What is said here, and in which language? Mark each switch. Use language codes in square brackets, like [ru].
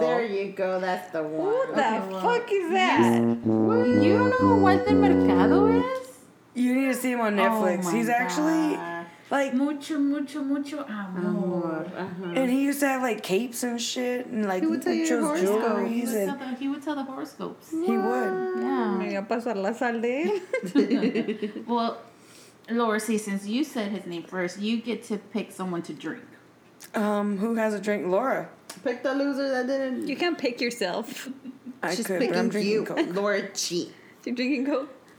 [en] There you go. That's the one. Who the fuck is that? What? You don't know who Walter Mercado is? You need to see him on Netflix. Oh, my actually... Like, [es] mucho, mucho, mucho amor. Uh-huh. [en] And he used to have, like, capes and shit. And, like, he would tell the horoscopes. He would tell the horoscopes. What? He would. Yeah. [es] Me voy a pasar la sal de él. [en] Well, Laura C., since you said his name first, you get to pick someone to drink. Who has a drink? Laura. Pick the loser that didn't. You can't pick yourself. I could, but I'm drinking you. Coke. Laura G. You're drinking Coke?